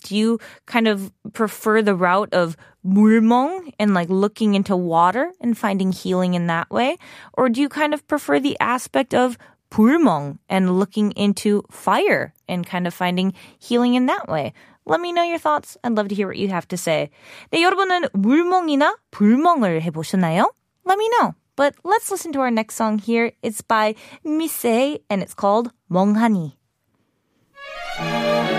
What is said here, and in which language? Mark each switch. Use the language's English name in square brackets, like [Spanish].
[English] Do you kind of prefer the route of 물멍 and like looking into water and finding healing in that way? Or do you kind of prefer the aspect of 불멍 and looking into fire and kind of finding healing in that way? Let me know your thoughts. I'd love to hear what you have to say. [Korean] 네, 여러분은 물멍이나 불멍을 해보셨나요? [English] Let me know. But let's listen to our next song here. It's by Missei and it's called 멍하니.